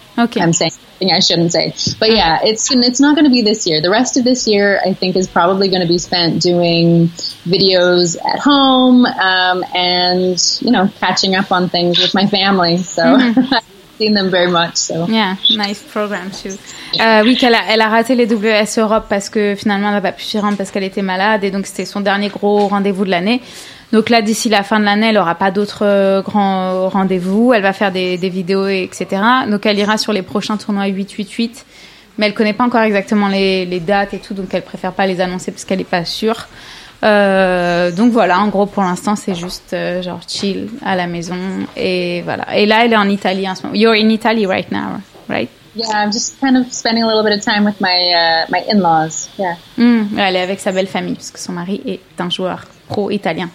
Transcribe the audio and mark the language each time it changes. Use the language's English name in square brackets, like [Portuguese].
[English] Okay. I'm saying something I shouldn't say. But yeah, it's not going to be this year. The rest of this year, I think, is probably going to be spent doing videos at home and, you know, catching up on things with my family. So seen them very much. So yeah, nice program too. [French] Oui, elle a raté les WS Europe parce que finalement elle n'a pas pu s'y rendre parce qu'elle était malade et donc c'était son dernier gros rendez-vous de l'année. Donc là, d'ici la fin de l'année, elle n'aura pas d'autres grands rendez-vous. Elle va faire des vidéos, etc. Donc elle ira sur les prochains tournois 8-8-8. Mais elle ne connaît pas encore exactement les dates et tout. Donc elle ne préfère pas les annoncer parce qu'elle n'est pas sûre. Donc voilà, en gros, pour l'instant, c'est juste genre chill à la maison. Et voilà. Et là, elle est en Italie en ce moment. [English] You're in Italy right now, right? Yeah, I'm just kind of spending a little bit of time with my my in-laws. Yeah. [French] Elle est avec sa belle famille parce que son mari est un joueur pro italien.